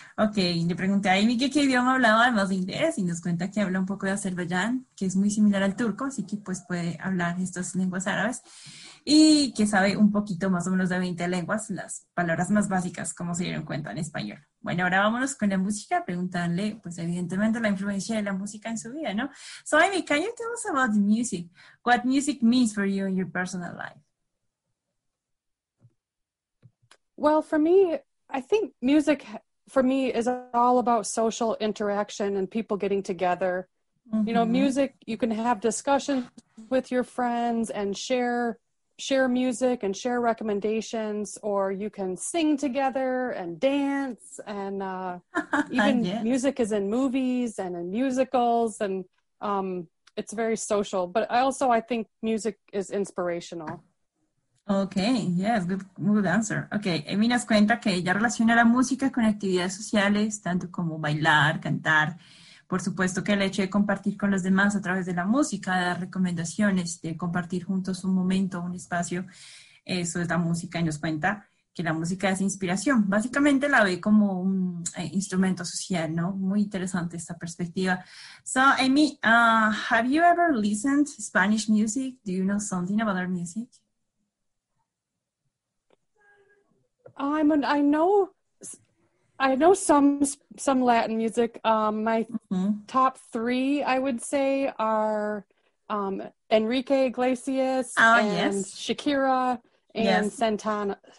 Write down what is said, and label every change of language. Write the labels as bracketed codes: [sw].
[es] Okay, le pregunté a Amy que qué idioma hablaba, además de inglés, y nos cuenta que habla un poco de Azerbaiyán, que es muy similar al turco, así que pues puede hablar estas lenguas árabes, y que sabe un poquito más o menos de 20 lenguas, las palabras más básicas, como se dieron cuenta en español. Bueno, ahora vámonos con la música, preguntarle, pues evidentemente, la influencia de la música en su vida, ¿no? [en] So, Amy, can you tell us about the music? What music means for you in your personal life? Well, for me, I think music for me is all about social interaction and people getting together. Mm-hmm. You know, music, you can have discussions with your friends and share music and share recommendations, or you can sing together and dance, and even music is in movies and in musicals, and it's very social. But I think music is inspirational. Okay, yes, good answer. [es] Okay, Amy nos cuenta que ella relaciona la música con actividades sociales, tanto como bailar, cantar. Por supuesto que el hecho de compartir con los demás a través de la música, dar recomendaciones, de compartir juntos un momento, un espacio, eso es la música, y nos cuenta que la música es inspiración. Básicamente la ve como un instrumento social, ¿no? Muy interesante esta perspectiva. [en] So, Amy, have you ever listened to Spanish music? Do you know something about our music? I know some Latin music. My top three, I would say, are Enrique Iglesias Shakira and Santana.